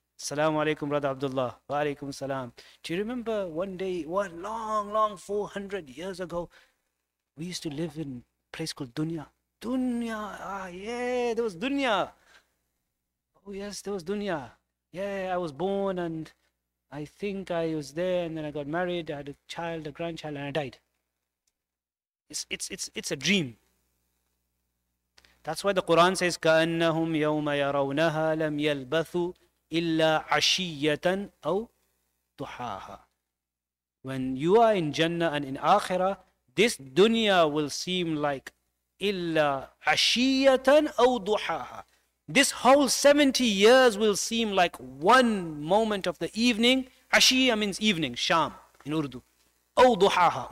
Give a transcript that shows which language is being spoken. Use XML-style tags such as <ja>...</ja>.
<en>Assalamu alaikum, brother Abdullah. Wa alaikum salam. Do you remember one day, one long 400 years ago, we used to live in a place called dunya. Dunya, there was dunya. Oh yes, there was dunya. Yeah, I was born and I think I was there and then I got married, I had a child, a grandchild, and I died. It's a dream. That's why the Quran says,</en> <ar>كَأَنَّهُمْ يَوْمَ يَرَوْنَهَا لَمْ يَلْبَثُوا إِلَّا عَشِيَّةً أَوْ تُحَاهَا.</ar> <en>When you are in Jannah and in Akhirah, this dunya will seem like</en> <ar>إِلَّا عَشِيَّةً أَوْ تُحَاهَا.</ar> <en>This whole 70 years will seem like one moment of the evening. Ashiya means evening, sham in Urdu. Oh, duhaha.</en>